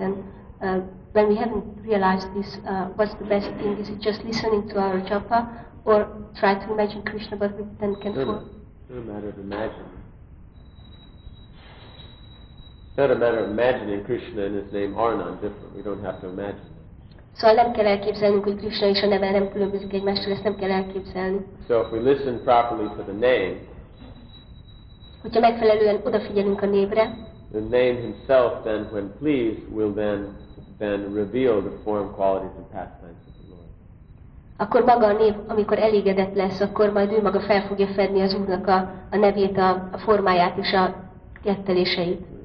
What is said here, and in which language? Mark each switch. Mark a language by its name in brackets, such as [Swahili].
[English] And when we haven't realized this, what's the best thing? Is it just listening to our japa, or try to imagine Krishna, but we then can form? It's not a matter of imagining Krishna and his name are non-different. We don't have to imagine. [Hungarian] Szóval nem kell elképzelnünk, hogy Krishna és a neve nem különbözik egymástól, ezt nem kell elképzelni. [English] So if we listen properly to the name, [Hungarian] hogyha megfelelően odafigyelünk a névre, [English] the name himself then, when pleased, will then reveal the form, qualities and pastimes of the Lord. [Hungarian] Akkor maga a név, amikor elégedett lesz, akkor majd ő maga fel fogja fedni az Úrnak a nevét, a formáját és a ketteléseit.